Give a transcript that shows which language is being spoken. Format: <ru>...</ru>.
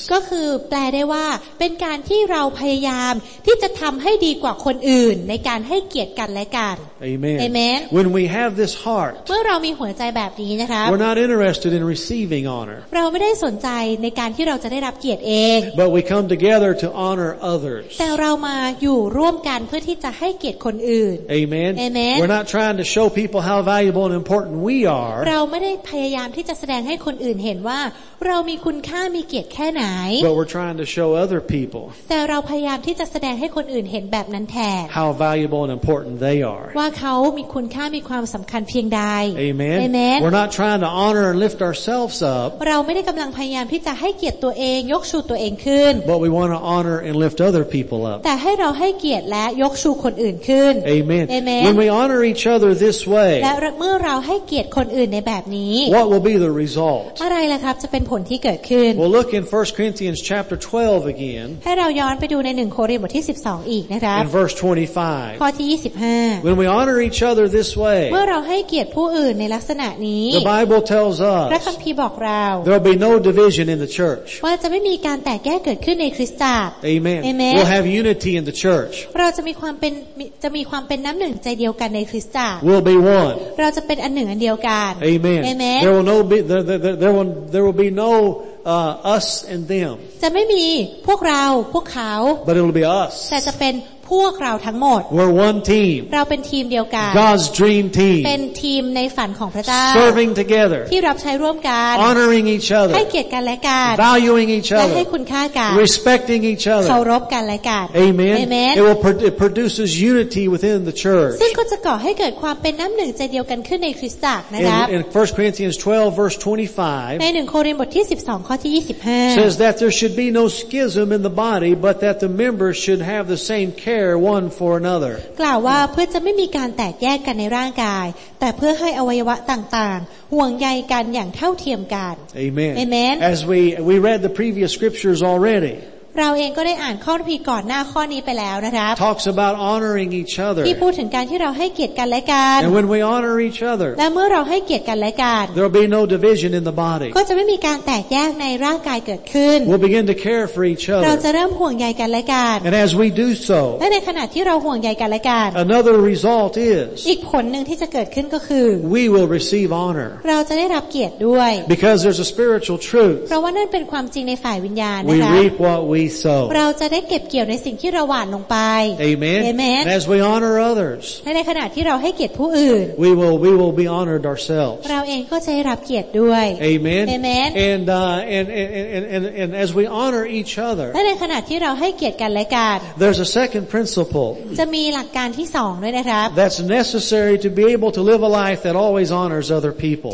<th>ก็คือแปลได้ว่าเป็นการที่เราพยายามที่จะทำให้ดีกว่าคนอื่นในการให้เกียรติกันและกัน</th> <en>Amen. Amen. When we have this heart,</en> <th>เมื่อเรามีหัวใจแบบนี้นะครับ</th> <en>we're not interested in receiving honor.</en> <th>เราไม่ได้สนใจในการที่เราจะได้รับเกียรติเอง</th> <en>But we come together to honor others.</en> <th>แต่เรามาอยู่ร่วมกันเพื่อที่จะให้เกียรติคนอื่น</th> <en>Amen. Amen. We're not trying to show people how valuable and important we are.</en> <th>เราไม่ได้พยายามที่จะแสดงให้คนอื่นเห็นว่าเรามีคุณค่ามีเกียรติียรติแค่ไหน</th> <en>But we're trying to show other people</en> <th>แต่เราพยายามที่จะแสดงให้คนอื่นเห็นแบบนั้นแทน</th> <en>How valuable and important they are</en> <th>ว่าเขามีคุณค่ามีความสำคัญเพียงใด</th> <en>Amen Amen We're not trying to honor and lift ourselves up</en> <th>เราไม่ได้กำลังพยายามที่จะให้เกียรติตัวเองยกชูตัวเองขึ้น</th> <en>But we want to honor and lift other people up</en> <th>แต่ให้เราให้เกียรติและยกชูคนอื่นขึ้น</th> <en>Amen Amen When we honor each other this way</en> <th>และเมื่อเราให้เกียรติคนอื่นในแบบนี้</th> <en>What will be the result</en> <th>อะไรล่ะครับจะเป็นผลที่เกิดขึ้น</th> <en>We'll look in 1 Corinthians chapter 12 again</en> <th>ให้เราย้อนไปดูใน1โครินธ์บทที่12อีกนะครับ</th> <en>In verse 25</en> <th>ข้อที่25</th> <en>When we honor each other this way</en> <th>เมื่อเราให้เกียรติผู้อื่นในลักษณะนี้</th> <en>The Bible tells us</en> <th>พระคัมภีร์บอกเรา</th> <en>There'll be no division in the church</en> <th>ว่าจะไม่มีการแตกแยกเกิดขึ้นในคริสตจักร</th> <en>Amen Amen We'll have unity in the church</en> <th>เราจะมีความเป็นจะมีความเป็นน้ำหนึ่งใจเดียวกันในคริสตจักร</th> <en>We'll be one</en> <th>เราจะเป็นอันหนึ่งอันเดียวกัน</th> <en>Amen Amen There will no be there will be no us and them</en> <th>จะไม่มีพวกเราพวกเขา</th> <en>But it will be us</en> <th>แต่จะเป็นพวกเราทั้งหมด</th> <en>We're one team</en> <th>เราเป็นทีมเดียวกัน</th> <en>God's dream team</en> <th>เป็นทีมในฝันของพระเจ้า</th> <en>Serving together</en> <th>ที่รับใช้ร่วมกัน</th> <en>Honoring each other</en> <th>ให้เกียรติกันและกัน</th> <en>Valuing each other</en> <th>และให้คุณค่ากัน</th> <en>Respecting each other</en> <th>เคารพกันและกัน</th> <en>Amen Amen It will produces unity within the church</en> <th>ซึ่งก็จะก่อให้เกิดความเป็นน้ำหนึ่งใจเดียวกันขึ้นในคริสตจักรนะครับ</th> <en>In 1 Corinthians 12 verse 25</en> <th>ใน1โครินธ์บทที่12ข้อที่25</th> <en>says that there should be no schism in the body but that the members should have the same carecare for another</en> <th>กล่าวว่าเพื่อจะไม่มีการแตกแยกกันในร่างกายแต่เพื่อให้อวัยวะต่างๆห่วงใยกันอย่างเท่าเทียมกัน</th> <en>Amen Amen As we read the previous scriptures already</en> <th>เราเองก็ได้อ่านข้อพระคัมภีร์ก่อนหน้าข้อนี้ไปแล้วนะครับ</th> <en>Talks about honoring each other</en> <th>ที่พูดถึงการที่เราให้เกียรติกันและกัน</th> <en>And when we honor each other</en> <th>และเมื่อเราให้เกียรติกันและกัน</th> <en>There'll be no division in the body</en> <th>ก็จะไม่มีการแตกแยกในร่างกายเกิดขึ้น</th> <en>We'll begin to care for each other</en> <th>เราจะเริ่มห่วงใยกันและกัน</th> <en>And as we do so</en> <th>และในขณะที่เราห่วงใยกันและกัน</th> <en>Another result is</en> <th>อีกผลนึงที่จะเกิดขึ้นก็คือ</th> <en>We will receive honor</en> <th>เราจะได้รับเกียรติด้วย</th> <en>Because there's a spiritual truth</en> <th>เพราะว่านั่นเป็นความจริงในฝ่ายวิญญาณนะคะ</th> <en>We reap what we</en> <th>เราจะได้เก็บเกี่ยวในสิ่งที่เราหว่านลงไป</th> <en>Amen Amen As we honor others</en> <th>ในขณะที่เราให้เกียรติผู้อื่น</th> <en>We will be honored ourselves</en> <th>เราเองก็จะได้รับเกียรติด้วย</th> <en>Amen Amen And as we honor each other</en> <th>ในขณะที่เราให้เกียรติกันและกัน</th> <en>There's a second principle</en> <th>จะมีหลักการที่2ด้วยนะครับ</th> <en>That's necessary to be able to live a life that always honors other people</en>